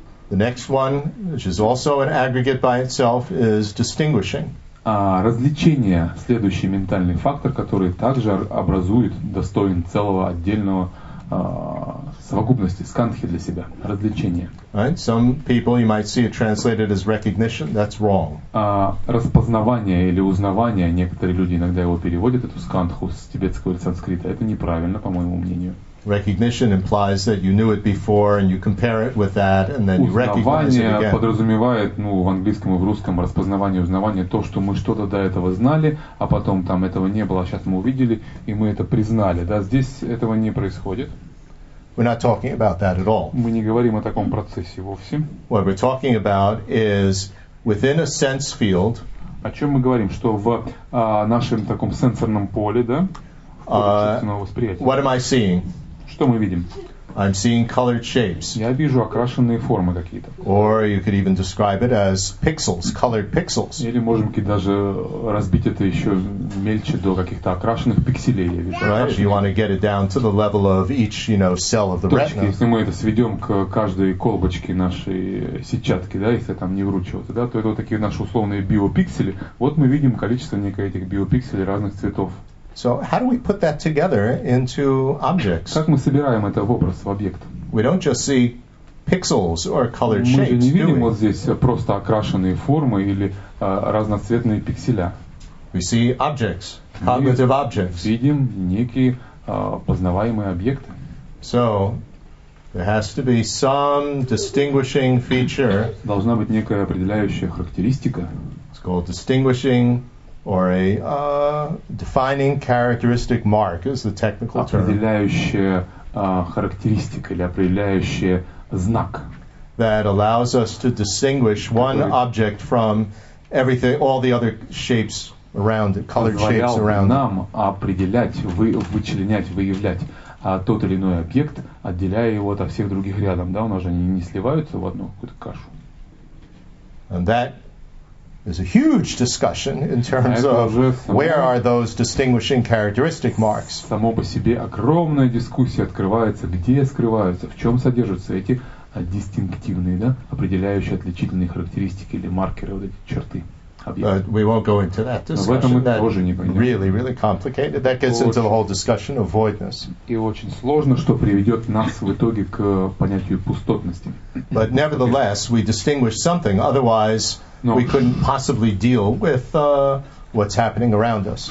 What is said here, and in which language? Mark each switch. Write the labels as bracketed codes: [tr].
[en] The next one, which is also an aggregate by itself, is distinguishing. [ru] Различение, следующий ментальный фактор, который также образует, достоин целого отдельного совокупности, скандхи для себя. Различение. [en] Right. Some people you might see it translated as recognition. That's wrong. [ru] Распознавание или узнавание, некоторые люди иногда его переводят, эту скандху с тибетского или санскрита. Это неправильно, по моему мнению. [en] Recognition implies that you knew it before and you compare it with that and then you recognize it again. [ru] Подразумевает, ну, в английском и в русском распознавание, узнавание, то, что мы что-то до этого знали, а потом там этого не было, а сейчас мы увидели и мы это признали. Да, здесь этого не происходит. [en] We're not talking about that at all. [ru] Мы не говорим о таком процессе вовсе. [en] What we're talking about is within a sense field. [ru] О чем мы говорим, что в нашем таком сенсорном поле, да? [en] What am I seeing? [ru] Что мы видим? [en] I'm seeing colored shapes. [ru] Я вижу окрашенные формы какие-то. [en] Or you could even describe it as pixels, colored pixels. [ru] Или можем даже разбить это еще мельче до каких-то окрашенных пикселей. Я вижу. [en] Right? If you want to get it down to the level of each, you know, cell of the retina. [ru] Если мы это сведем к каждой колбочке нашей сетчатки, да, если там не вручиваться, да, то это вот такие наши условные биопиксели. Вот мы видим количество некое этих биопикселей разных цветов. [en] So how do we put that together into objects? [ru] Как мы собираем это в образ, в объект? [en] We don't just see pixels or colored shapes. [ru] Мы же не видим вот здесь просто окрашенные формы или разноцветные пикселя. [en] We see objects, cognitive objects. [ru] Видим некие познаваемые объекты. [en] So there has to be some distinguishing feature. [ru] Должна быть некая определяющая характеристика. [en] It's It's called distinguishing or a defining characteristic mark is the technical term. [ru] Определяющая характеристика или определяющий знак. [en] That allows us to distinguish one object from everything, all the other shapes around it, colored shapes around it. [ru] Нам определять, вычленять, выявлять тот или иной объект, отделяя его от всех других рядом, да, у нас же они не сливаются в одну какую-то кашу. [en] And that is a huge discussion in terms of where are those distinguishing characteristic marks. [ru] Само по себе огромная дискуссия открывается, где скрываются, в чем содержатся эти дистинктивные, да, определяющие отличительные характеристики или маркеры, вот эти черты. [en] But we won't go into that discussion. That really, really complicated. That gets into the whole discussion of voidness. [ru] И очень сложно, что приведет нас в итоге к понятию пустотности. [en] But nevertheless, we distinguish something. Otherwise, we couldn't possibly deal with what's happening around us.